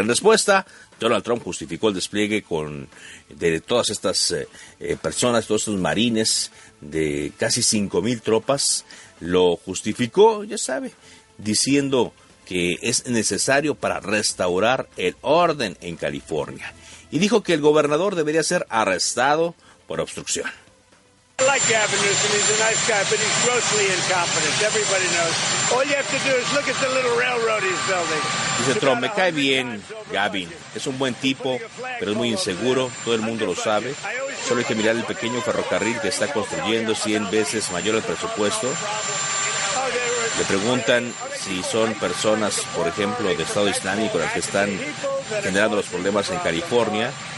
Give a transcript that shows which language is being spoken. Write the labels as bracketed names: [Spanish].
[Spanish] En respuesta, Donald Trump justificó el despliegue de todas estas personas, todos estos marines de casi 5,000 tropas. Lo justificó, ya sabe, diciendo que es necesario para restaurar el orden en California. Y dijo que el gobernador debería ser arrestado por obstrucción. [English] I like Gavin Newsom. He's a nice guy, but he's grossly incompetent. Everybody knows. All you have to do is look at the little railroad he's building. [Spanish] Dice Trump, me cae bien, Gavin. Es un buen tipo, pero es muy inseguro. Todo el mundo lo sabe. Solo hay que mirar el pequeño ferrocarril que está construyendo, 100 veces mayor el presupuesto. Le preguntan si son personas, por ejemplo, de Estado Islámico, las que están generando los problemas en California.